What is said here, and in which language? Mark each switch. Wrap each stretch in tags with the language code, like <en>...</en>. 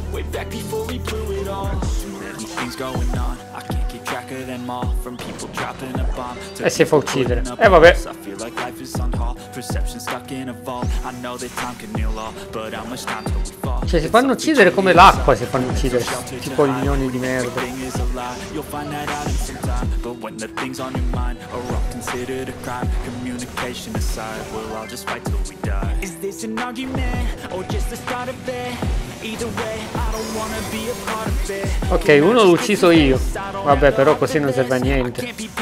<en>Back before we blew it all. Going on, I can't keep track of them all, from people dropping a bomb to</en> <it>e si fa uccidere. Vabbè,</it> <en>I feel like life is on hold, perception stuck in a vault. I know that time can heal all, but how much time till we fall?</en> <it>Cioè, si fanno uccidere come l'acqua, si fanno uccidere i coglioni di merda.</it> <en>You'll find that out in some time, but when the things on your mind are all considered a crime, communication aside, we'll all just fight till we die. Is this an argument or just the start of it? Either way, I don't wanna be a part of it.</en> <it>Ok, uno l'ho ucciso io. Vabbè, però così non serve a niente.</it>